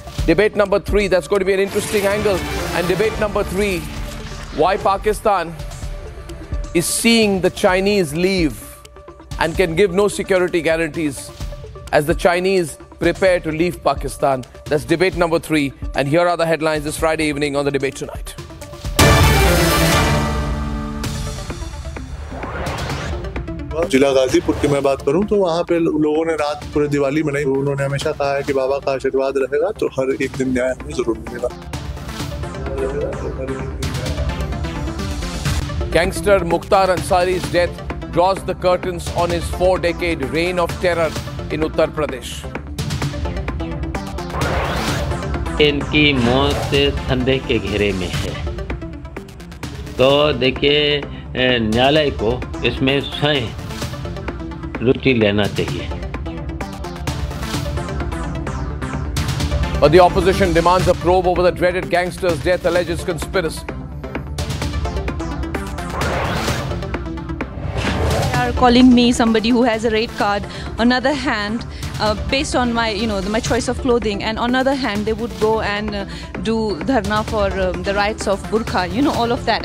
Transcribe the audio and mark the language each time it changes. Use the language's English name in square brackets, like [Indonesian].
[English] Debate number three, that's going to be an interesting angle. And debate number three, why Pakistan is seeing the Chinese leave and can give no security guarantees as the Chinese prepare to leave Pakistan. That's debate number three. And here are the headlines this Friday evening on The Debate Tonight. [Hindi] जिला गाजीपुर की मैं बात करूं तो वहां पे लोगों ने रात पूरे दिवाली मनाई. उन्होंने हमेशा कहा है कि बाबा का आशीर्वाद रहेगा तो हर एक दिन न्याय हमें जरूर मिलेगा. [English] Gangster Mukhtar Ansari's death draws the curtains on his four-decade reign of terror in Uttar Pradesh. [Hindi] इनकी मौत संदेह के घेरे में है तो देखिए न्यायालय को इसमें स्वयं रुचि लेना चाहिए. [English] But the opposition demands a probe over the dreaded gangster's death, alleges conspiracy. They are calling me somebody who has a red card. On the other hand, based on my, you know, my choice of clothing. And on the other hand, they would go and do dharna for the rights of burqa, you know, all of that.